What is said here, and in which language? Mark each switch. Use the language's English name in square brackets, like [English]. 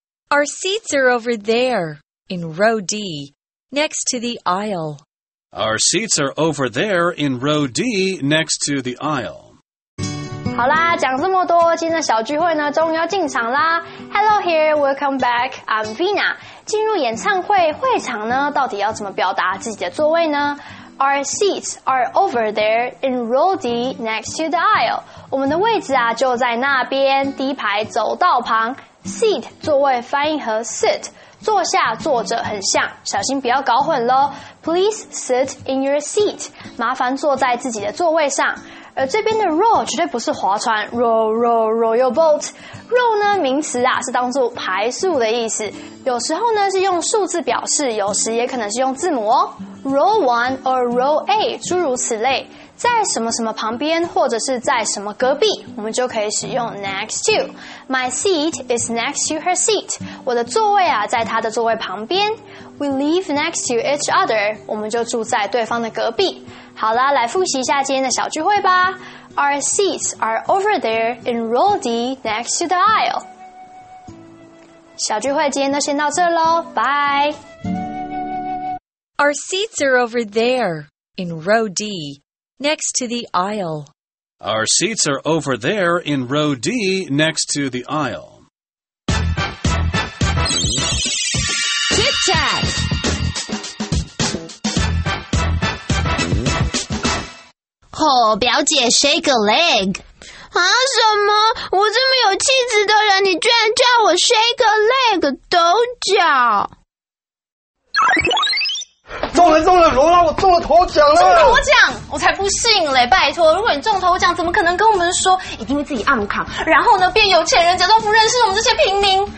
[English] Our seats are over there, in row D, next to the aisle. Our seats are over there, in row D, next to the aisle. [Chinese] 好啦，讲这么多，今天的小聚会呢，终于要进场啦。 [English] Hello here, welcome back, I'm Vina. [Chinese] 进入演唱会，会场呢，到底要怎么表达自己的座位呢？ [English] Our seats are over there in row D next to the aisle. [Chinese] 我们的位置啊就在那边第一排走道旁。 Seat 座位翻译和 sit 坐下坐着很像，小心不要搞混咯。 [English] Please sit in your seat. [Chinese] 麻烦坐在自己的座位上。而这边的 row 绝对不是划船 ， [English] row boat。 [Chinese] row 呢，名词啊是当作排数的意思，有时候呢是用数字表示，有时也可能是用字母哦。 [English] row 1 or row A [Chinese] 诸如此类，在什么什么旁边或者是在什么隔壁，我们就可以使用 next to。 [English] My seat is next to her seat. [Chinese] 我的座位啊在她的座位旁边。 [English] We live next to each other. [Chinese] 我们就住在对方的隔壁。好啦，来复习一下今天的小聚会吧。 [English] Our seats are over there in row D next to the aisle. [Chinese] 小聚会今天都先到这咯，拜。 [English] Our seats are over there in row D next to the aisle. Our seats are over there in row D next to the aisle. Tic Tac! Oh, [Chinese] 表姐 [English] shake a leg. [Chinese] 啊，什么？我这么有气质的人，你居然叫我 [English] shake a leg, [Chinese] 抖脚。中了，罗拉，我中了头奖了！中头奖？我才不信嘞！拜托，如果你中头奖，怎么可能跟我们说？一定会自己暗扛，然后呢，变有钱人，假装不认识我们这些平民。